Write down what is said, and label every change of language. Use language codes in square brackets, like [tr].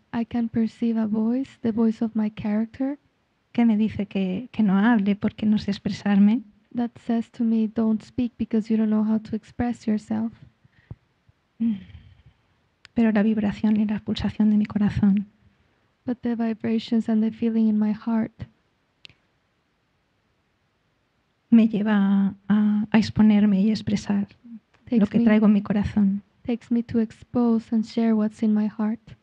[en] I can perceive a voice, the voice of my character. [es] Que me dice que no hable porque no sé expresarme. [en] That says to me, don't speak because you don't know how to express yourself. [es] Pero la vibración y la pulsación de mi corazón. [en] But the vibrations and the feeling in my heart. [es] Me lleva a exponerme y expresar lo que traigo en mi corazón. [en] Takes me to expose and share what's in my heart.